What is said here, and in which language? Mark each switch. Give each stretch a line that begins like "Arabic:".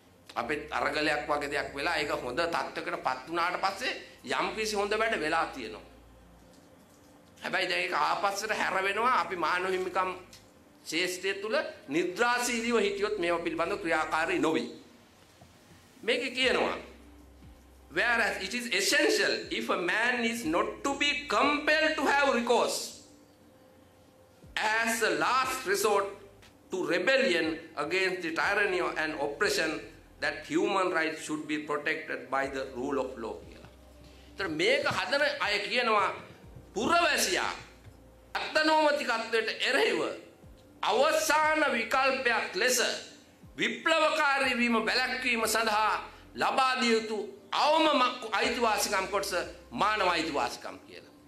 Sinhala: අපේ අරගලයක් වගේ දෙයක් වෙලා ඒක හොඳ තත්ත්වයකට පත් වුණාට පස්සේ යම් කිසි හොඳ වැඩ වෙලා තියෙනවා. හැබැයි දැන් ඒක ආපස්සට හැරවෙනවා අපි මානව හිමිකම් ශේෂ්ඨය තුළ නිද්‍රාශීලීව හිටියොත් මේව පිළිබඳ ක්‍රියාකාරී නොවේ. මේක කියනවා
English: whereas it is essential if a man is not to be compelled to have recourse as a last resort to rebellion against the tyranny and oppression that human rights should be protected by the rule of law
Sinhala: කියලා. ඒතර මේක හදන අය කියනවා පුරවැසියා අත්නෝමතිකත්වයට එරෙහිව අවසාන විකල්පයක් ලෙස විප්ලවකාරී වීම බැලැක්වීම සඳහා ලබා දිය යුතු අවම අයිතිවාසිකම් කොටස මානව අයිතිවාසිකම් කියලා.